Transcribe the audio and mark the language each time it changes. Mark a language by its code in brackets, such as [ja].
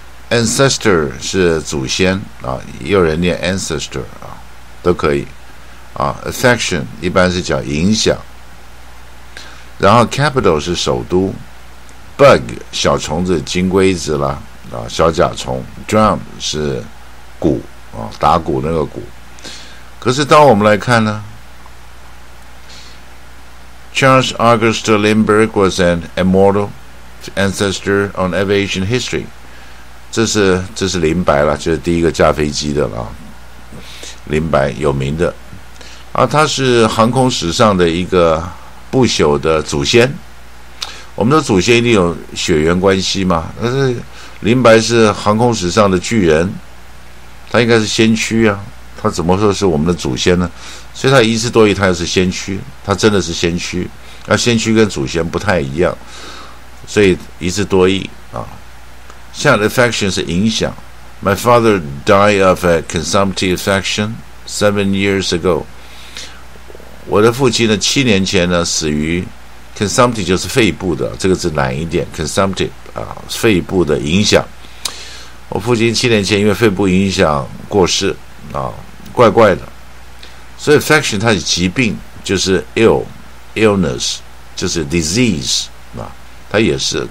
[zh] Ancestor 是祖先啊，也有人念 Ancestor 啊，都可以啊。 Affection 一般是叫影响，然后 Capital 是首都。 Bug 小虫子金龟子啦啊，小甲虫。 Drum 是鼓啊，打鼓那个鼓。可是当我们来看呢， [en] Charles August Lindbergh was an immortal ancestor on aviation history. [zh] 这是林白了，就是第一个驾飞机的了。林白有名的，啊，他是航空史上的一个不朽的祖先。我们的祖先一定有血缘关系嘛？但是林白是航空史上的巨人，他应该是先驱啊。他怎么说是我们的祖先呢？所以他一字多一，他又是先驱，他真的是先驱。那先驱跟祖先不太一样，所以一字多一啊。像 affection 是影响。 [en] My father died of a consumptive affection 7 years ago. [zh] 我的父亲呢，七年前呢死于 consumptive， 就是肺部的，这个字难一点 ，consumptive 啊，肺部的影响。我父亲七年前因为肺部影响过世。啊，怪怪的。所以 affection 它是疾病，就是 illness 就是 disease 啊，它也是。